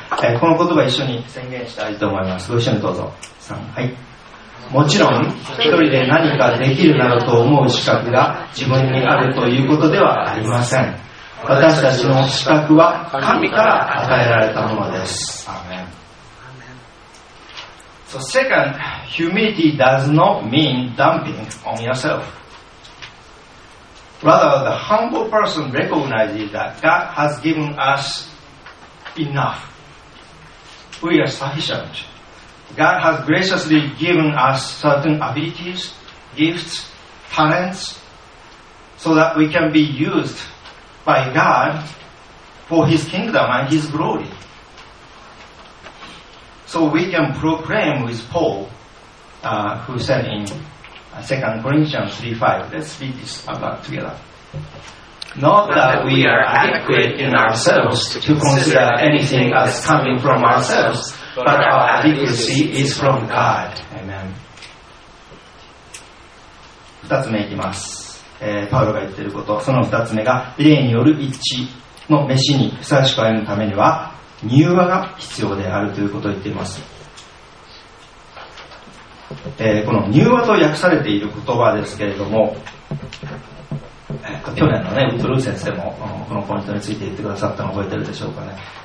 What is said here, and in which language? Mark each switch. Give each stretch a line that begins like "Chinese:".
Japanese: この言葉一緒に宣言したいと思います。ご一緒にどうぞ。はい。もちろん一人で何かできるなどと思う資格が自分にあるということではありません。私たちの資格は神から与えられたものです。アーメン。
English: So second, humility does not mean dumping on yourselfRather, the humble person recognizes that God has given us enough. We are sufficient. God has graciously given us certain abilities, gifts, talents, so that we can be used by God for His kingdom and His glory. So we can proclaim with Paul, who said in 2 Corinthians 3:5, let's read this about together. Not that we are adequate in ourselves to consider anything as coming from ourselves, but our adequacy is from God. Amen.
Japanese: 二つ目いきます。パウロが言っていること、その2つ目が霊による一致の飯にふさわしく歩むためには柔和が必要であるということを言っています。この柔和と訳されている言葉ですけれども、去年のねウッドルー先生もこのポイントについて言ってくださったのを覚えてるでしょうかね。